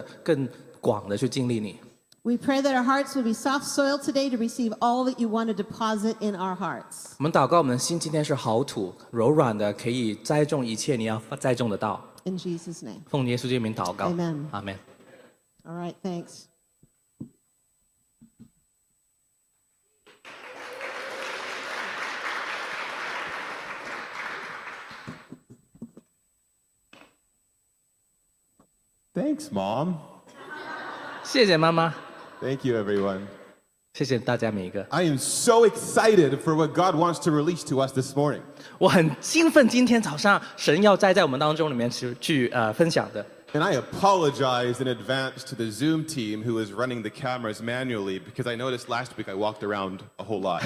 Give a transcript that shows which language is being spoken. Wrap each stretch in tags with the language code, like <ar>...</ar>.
<zh>感谢你在我们里面启动我们灵，而且使我们更深的、更广的去经历你。</zh> <en>We pray that our hearts will be soft soil today to receive all that you want to deposit in our hearts.</en> <zh>我们祷告，我们的心今天是好土，柔软的，可以栽种一切你要栽种的道。</zh> <en>In Jesus' name.</en> <zh>奉耶稣基督的名祷告。</zh> <en>Amen. Amen. All right, thanks. Thanks, Mom.</en> <zh>谢谢妈妈。</zh> <en>Thank you, everyone.</en> <zh>谢谢大家每一个。</zh> <en>I am so excited for what God wants to release to us this morning.</en> <zh>我很兴奋今天早上神要栽在我们当中里面去分享的。</zh> <en>And I apologize in advance to the Zoom team who is running the cameras manually because I noticed last week I walked around a whole lot.</en>